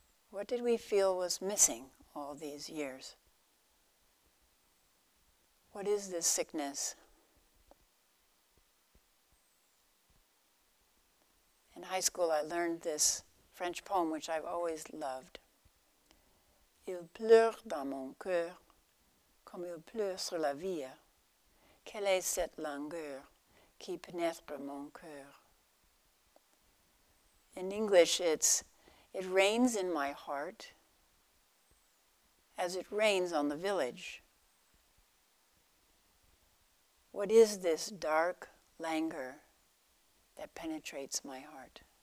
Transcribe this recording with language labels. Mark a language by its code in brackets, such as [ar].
[en] What did we feel was missing all these years? What is this sickness? In high school, I learned this French poem, which I've always loved. [fr] Il pleure dans mon cœur, comme il pleure sur la vie. Quelle est cette langueur qui pénètre mon cœur? [en] In English, it rains in my heart as it rains on the village. What is this dark languor that penetrates my heart?